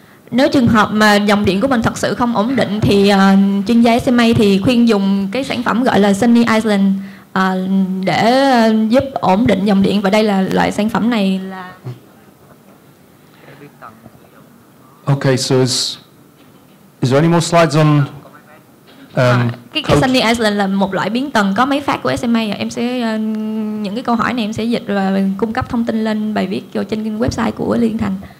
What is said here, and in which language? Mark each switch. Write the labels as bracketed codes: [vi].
[vi] Nếu trường hợp mà dòng điện của mình thật sự không ổn định thì chuyên gia SMA thì khuyên dùng cái sản phẩm gọi là Sunny Island để giúp ổn định dòng điện. Và đây là loại sản phẩm này là [en] Okay, so is there any more slides on [vi] cái Sunny Island là một loại biến tần có mấy phát của SMA. Em sẽ những cái câu hỏi này em sẽ dịch và cung cấp thông tin lên bài viết vô trên website của Liên Thành.